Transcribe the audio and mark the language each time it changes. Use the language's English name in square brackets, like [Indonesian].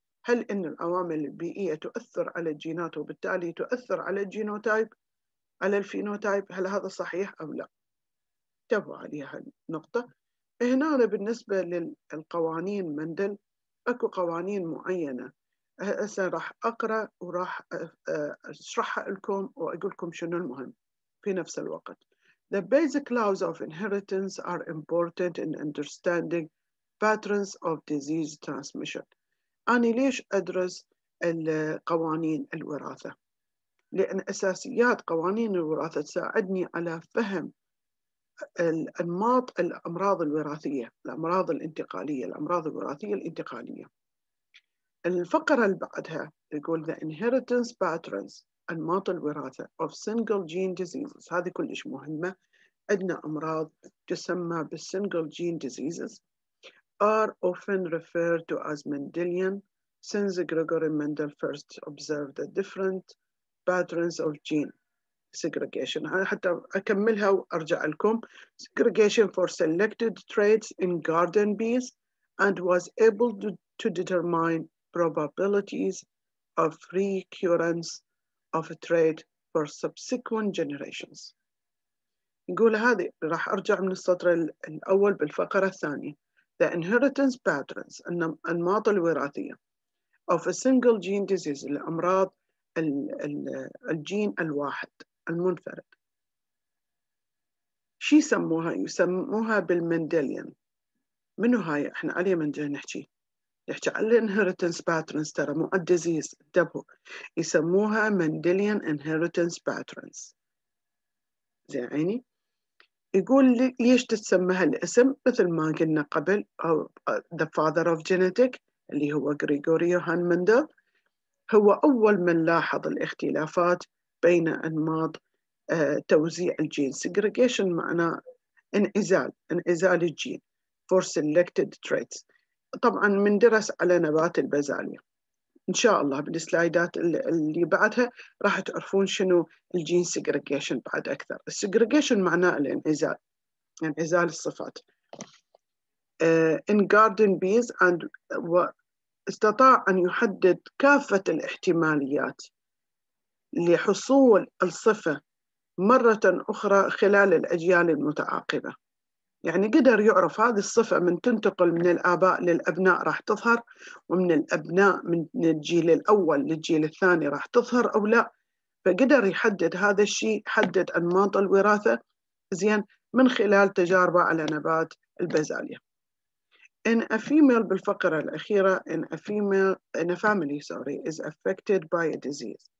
[Arabic] هل إن العوامل البيئية تؤثر على الجينات وبالتالي تؤثر على الجينوتايب، على الفينوتايب، هل هذا صحيح أم لا؟ انتبهوا عليها النقطة. هنا بالنسبة للقوانين مندل، أكو قوانين معينة هسه راح أقرأ وراح أشرحها لكم وأقول لكم شنو المهم في نفس الوقت. [English] The basic laws of inheritance are important in understanding patterns of disease transmission. [Arabic] أنا ليش أدرس القوانين الوراثة؟ لأن أساسيات قوانين الوراثة تساعدني على فهم الأنماط الأمراض الوراثية، الأمراض الانتقالية، الأمراض الوراثية الانتقالية. الفقرة اللي بعدها يقول [English] the inheritance patterns، [Arabic] أنماط الوراثة [English] of single gene diseases، [Arabic] هذه كلش مهمة. عندنا أمراض تسمى [English] بالsingle gene diseases are often referred to as Mendelian since Gregory Mendel first observed the different patterns of gene segregation. [Arabic] حتى أكملها وأرجع لكم. [English] Segregation for selected traits in garden bees and was able to determine probabilities of recurrence of a trait for subsequent generations. [Arabic] نقول هذه راح أرجع من السطر الأول بالفقرة الثانية. [English] The inheritance patterns [Arabic] أنماط الوراثية [English] of a single gene disease [Arabic] الأمراض الجين الواحد المنفرد. شي يسموها؟ يسموها بالمندليان. منو هاي؟ احنا عليه من جاي نحكي؟ نحكي على الانهيرتنس باترنز، ترى مو الديزيز. انتبهوا، يسموها مندليان انهيرتنس باترنز. زي عيني. يقول ليش تتسمى هالاسم؟ مثل ما قلنا قبل، او [English] the father of genetic [Arabic] اللي هو غريغوري يوهان مندل، هو اول من لاحظ الاختلافات بين أنماط توزيع الجين. [English] Segregation [Arabic] معنى انعزال الجين [English] for selected traits. [Arabic] طبعاً من درس على نبات البازاليا. إن شاء الله بالسلايدات اللي بعدها راح تعرفون شنو الجين segregation بعد أكثر. Segregation معنى الانعزال، انعزال الصفات. [English] In garden bees and [Arabic] استطاع أن يحدد كافة الاحتماليات لحصول الصفة مرة أخرى خلال الأجيال المتعاقبة. يعني قدر يعرف هذه الصفة من تنتقل من الآباء للأبناء راح تظهر، ومن الأبناء من الجيل الأول للجيل الثاني راح تظهر أو لا، فقدر يحدد هذا الشيء، حدد أنماط الوراثة زين من خلال تجاربه على نبات البازاليا. [English] In a female [Arabic] بالفقرة الأخيرة، [English] in a family is affected by a disease.